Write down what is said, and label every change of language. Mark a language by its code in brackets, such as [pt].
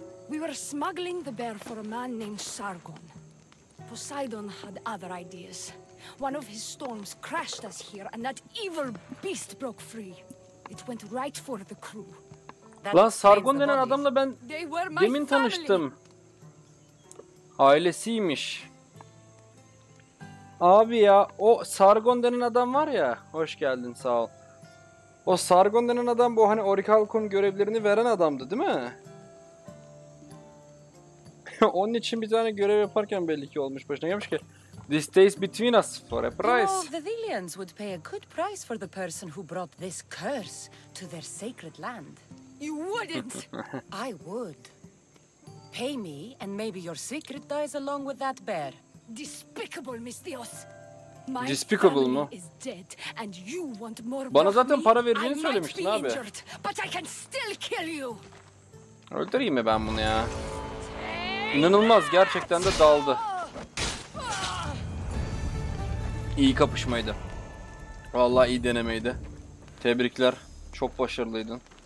[en] We were smuggling the bear for a man named Sargon. Poseidon had other ideas. One of his storms crashed us here and that evil beast broke free. It went right for the crew. [tr] Lan Sargon denen adamla ben demin tanıştım. Ailesiymiş. Abi ya, o Sargon denen adam var ya, hoş geldin, sağ ol. O Sargon denen adam bu hani Orichalcum görevlerini veren adamdı değil mi? Onun için bir tane görev yaparken belli ki olmuş başına gelmiş ki [en] This stays between us for a price. You know, the Thelians would pay a good price for the person who brought this curse to their sacred land. You wouldn't! I would. Pay me, and maybe your secret dies along with that bear. Despicable, Mistyos! My Despicable family mu? Is dead, and you want more [tr] Bana zaten para vereceğini söylemiştin abi. [en] Injured, but I can still kill you. [tr] Öldüreyim mi ben bunu ya? İnanılmaz, gerçekten de daldı. İyi kapışmaydı. Vallahi iyi denemeydi. Tebrikler. Çok başarılıydın.